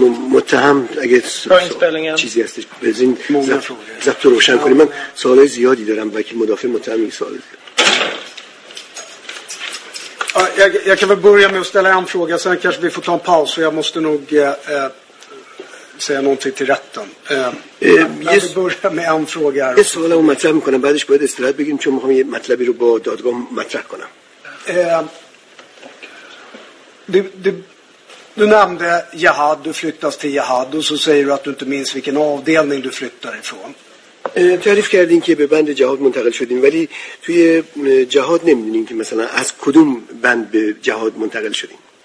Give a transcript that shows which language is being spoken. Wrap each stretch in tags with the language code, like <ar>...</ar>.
<fa>متهم اگه چیزی هستش بزین ضبط رو روشن کنیم. من سوالای زیادی دارم. وکیل مدافع متهم این سوال زیاد.</fa> <sv>Jag kan väl börja med att ställa en fråga, sen kanske vi får ta en paus, så jag måste nog säga någonting till rätten. Jag börjar med en fråga här. Det är så att jag kan börja med att ställa en fråga, så jag kan börja med att ställa en fråga. Du nämnde jihad, du flyttas till jihad, och så säger du att du inte minns vilken avdelning du flyttar ifrån.</sv> <fa>تعریف کردین که به بند جهاد منتقل شدیم، ولی توی جهاد نمیدونیم که مثلا از کدوم بند به جهاد منتقل شدیم.</fa>